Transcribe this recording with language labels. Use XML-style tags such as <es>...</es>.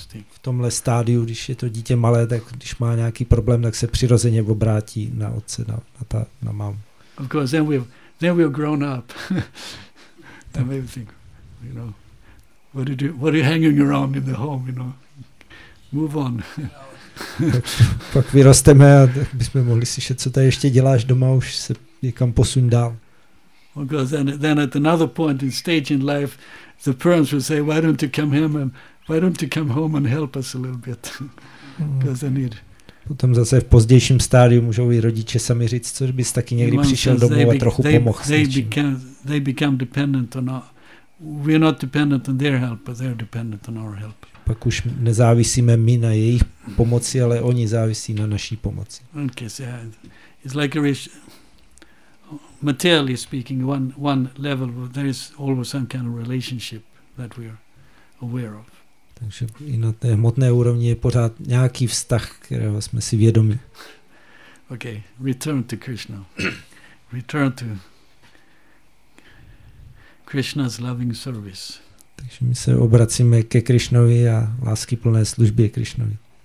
<cs>V tomhle stádiu, když je to dítě malé, tak když má nějaký problém, tak se přirozeně obrátí na otce, na mámu.</cs> <en>Of course, then we're grown up. And maybe think, you know, what are you hanging around in the home, you know? Move on.</en> <cs>Pak vyrosteme a bychom mohli slyšet, co tady ještě děláš doma, už se někam posun dál.</cs> <en>Because then at another point in stage in life, the parents will say, why don't you come home and help us a little bit? Because they need.</en> <cs>Potom zase v pozdějším stádiu můžou i rodiče sami říct, co bys taky někdy přišel domů a trochu pomohl.</cs> <en>They become dependent on our, we're not dependent on their help, but they're dependent on our help.</en> <cs>Pak už nezávisíme my na jejich pomoci, ale oni závisí na naší pomoci.</cs> <en>Okay, so it's like materially speaking, one level, there is always some kind of relationship that we are aware of.</en> <cs>Takže i na té hmotné úrovni je pořád nějaký vztah, kterého jsme si vědomi.</cs> <en>Okay, return to Krishna. Return to Krishna's loving service.</en> <cs>Takže my se obracíme ke Krišnovi a lásky plné službě Krišnovi.</cs>